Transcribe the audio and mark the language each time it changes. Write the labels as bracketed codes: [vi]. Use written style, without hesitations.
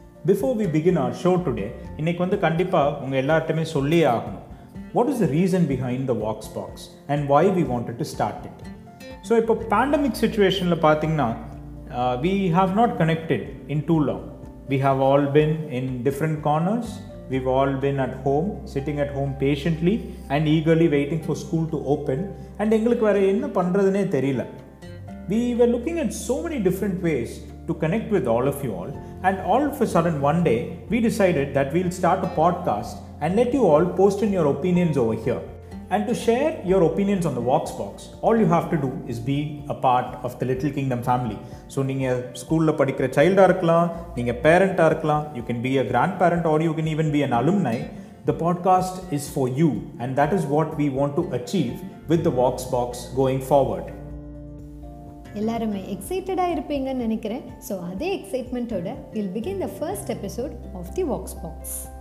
[en] before we begin our show today, [ta] இன்னைக்கு வந்து கண்டிப்பாக உங்கள் எல்லார்ட்டுமே சொல்லி ஆகணும், [en] What is the reason behind the Vox Box and why we wanted to start it. So [ta] இப்போ pandemic சுச்சுவேஷனில் பார்த்தீங்கன்னா, [en] We have not connected in too long. We have all been in different corners. We've all been at home, sitting at home patiently and eagerly waiting for school to open. And [ta] engalukku vera enna pandradhune theriyala. [en] We were looking at so many different ways to connect with all of you all. And all of a sudden, one day, we decided that we'll start a podcast and let you all post in your opinions over here. And to share your opinions on the Vox Box, all you have to do is be a part of the Little Kingdom family. So, [ta] நீங்கள் ஸ்கூலில் படிக்கிற சைல்டாக இருக்கலாம், நீங்கள் பேரண்ட்டாக இருக்கலாம், [en] You can be a grandparent or you can even be an alumni. The podcast is for you and that is what we want to achieve with the Vox Box going forward. [ta] எல்லாருமே எக்ஸைட்டடாக இருப்பீங்கன்னு நினைக்கிறேன். So அதே எக்ஸைட்மெண்ட்டோட [en] Will begin the first episode of the Vox Box.